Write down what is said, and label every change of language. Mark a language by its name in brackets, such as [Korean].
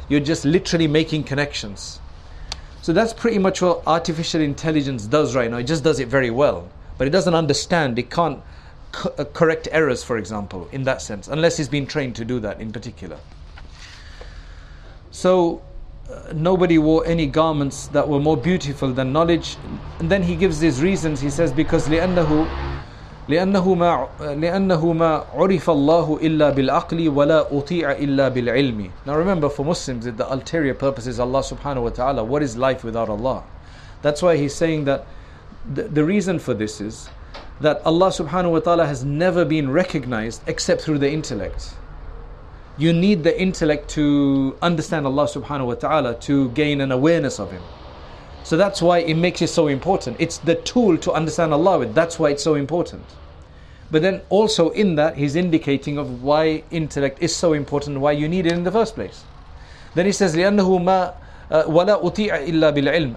[English] You're just literally making connections. So that's pretty much what artificial intelligence does right now. It just does it very well. But it doesn't understand, it can't correct errors, for example, in that sense, unless he's been trained to do that in particular. So nobody wore any garments that were more beautiful than knowledge. And then he gives his reasons. He says, because [Arabic] لِأَنَّهُ مَا عُرِفَ اللَّهُ إِلَّا بِالْعَقْلِ وَلَا أُطِيعَ إِلَّا بِالْعِلْمِ. [English] Now remember, for Muslims, the ulterior purpose is Allah subhanahu wa ta'ala. What is life without Allah? That's why he's saying that the reason for this is that Allah subhanahu wa ta'ala has never been recognized except through the intellect. You need the intellect to understand Allah subhanahu wa ta'ala, to gain an awareness of Him. So that's why it makes it so important. It's the tool to understand Allah with. That's why it's so important. But then also in that, he's indicating of why intellect is so important, why you need it in the first place. Then he says, [Arabic] لِأَنَّهُ مَا وَلَا أُطِيعَ إِلَّا بِالْعِلْمِ.